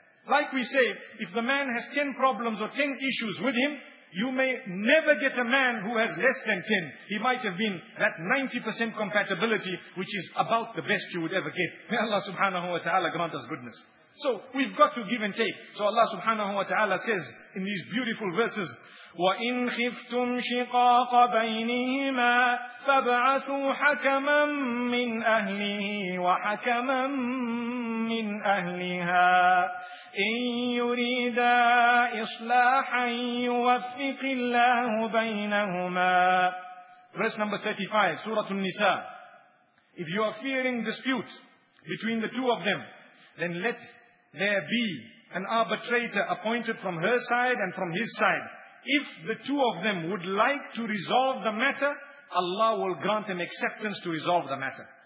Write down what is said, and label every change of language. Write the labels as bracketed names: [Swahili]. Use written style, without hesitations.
[English] Like we say, if the man has 10 problems or 10 issues with him, you may never get a man who has less than 10. He might have been that 90% compatibility, which is about the best you would ever get. May Allah subhanahu wa ta'ala grant us goodness. So, we've got to give and take. So Allah subhanahu wa ta'ala says in these beautiful verses, [Arabic] وَإِنْ خِفْتُمْ شِقَاقَ بَيْنِهِمَا فَابْعَثُوا حَكَمًا مِّنْ أَهْلِهِ وَحَكَمًا مِّنْ أَهْلِهَا إِنْ يُرِيدَا إِصْلَاحًا يُوَفِّقِ اللَّهُ بَيْنَهُمَا. [English] Verse number 35, Surah An-Nisa. If you are fearing dispute between the two of them, then let there be an arbitrator appointed from her side and from his side. If the two of them would like to resolve the matter, Allah will grant them acceptance to resolve the matter.